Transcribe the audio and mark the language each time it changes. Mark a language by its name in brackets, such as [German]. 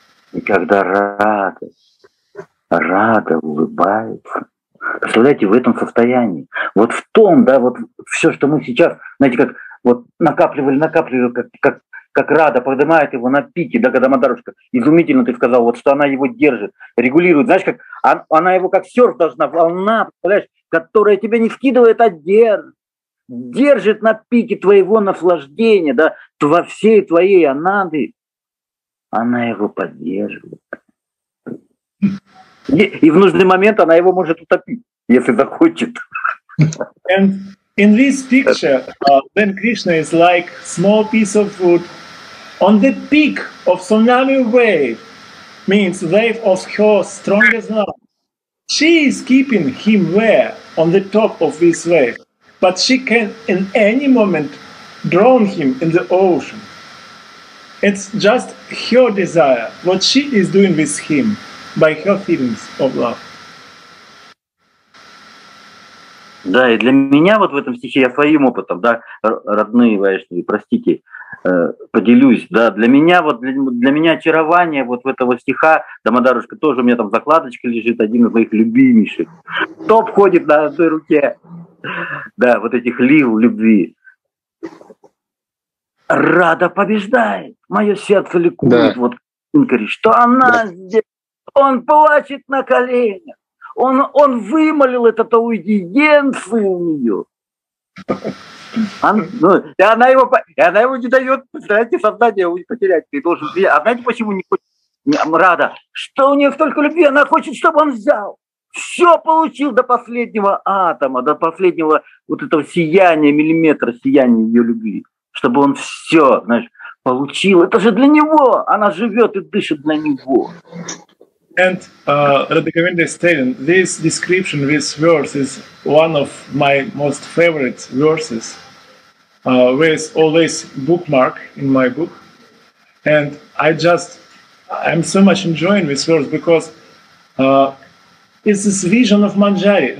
[Russian] И когда Рада улыбается, представляете, в этом состоянии, вот в том, да, вот все, что мы сейчас, знаете, как вот накапливали, как Рада поднимает его на пике, да, когда Мадарушка, изумительно ты сказал, вот что она его держит, регулирует, знаешь, как она его как серф должна, волна, представляешь, которая тебя не скидывает, а держит на пике твоего наслаждения, да, во всей твоей ананды. Она его поддерживает. И в нужный момент она его может утопить, если захочет. [English] And in this picture, then Krishna is like small piece of wood on the peak of tsunami wave, means wave of her strongest love. She is keeping him there on the top of this wave, but she can in any moment drown him in the ocean. It's just her desire, what she is doing with him, by her feelings of love. [Russian] Да, и для меня вот в этом стихе, я своим опытом, да, родные вайшнавы, простите, поделюсь, да, для меня очарование вот в этого стиха, Дамодарушка, тоже у меня там закладочка лежит, один из моих любимейших, топ ходит на одной руке, да, вот этих лив любви. Рада побеждает, мое сердце ликует, да. Вот говорит, что она да. Здесь, он плачет на коленях, он вымолил этот аудиенцию у нее. И она его не дает, знаете, сознание потерять, ты должен. А знаете, почему не хочет Рада? Что у нее столько любви, она хочет, чтобы он взял. Все получил до последнего атома, до последнего вот этого сияния, миллиметра сияния ее любви. Чтобы он все, знаешь, получил. Это же для него. Она живет и дышит для него. [English] And Radhakavinda is telling, this description, this verse is one of my most favorite verses, where it's always bookmark in my book. And I'm so much enjoying this verse because it's this vision of Manjari.